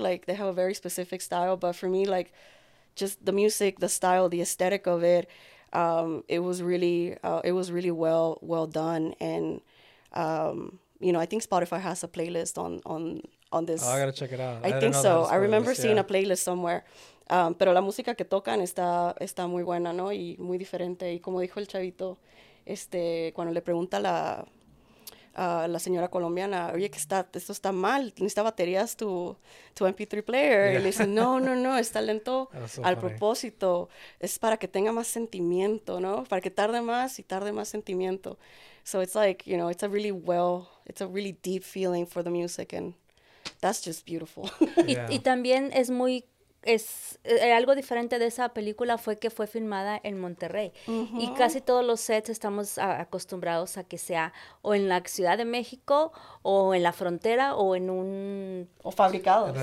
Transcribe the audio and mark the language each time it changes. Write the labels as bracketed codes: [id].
[en] Like, they have a very specific style. But for me, like, just the music, the style, the aesthetic of it, it was really well done. And, you know, I think Spotify has a playlist on this. Oh, I gotta check it out. I think so. I remember seeing a playlist somewhere. [es] Pero la música que tocan está muy buena, ¿no? Y muy diferente. Y como dijo el chavito, cuando le pregunta a la señora colombiana, oye, que esto está mal, necesita baterías tu MP3 player. Yeah. Y le dice, no, está lento al propósito. Es para que tenga más sentimiento, ¿no? Para que tarde más sentimiento. [en] So it's like, you know, it's a really deep feeling for the music. And that's just beautiful. [es] Yeah. Y también es muy... Es algo diferente de esa película fue que fue filmada en Monterrey. Uh-huh. Y casi todos los sets estamos acostumbrados a que sea o en la Ciudad de México o en la frontera o en un... O fabricados.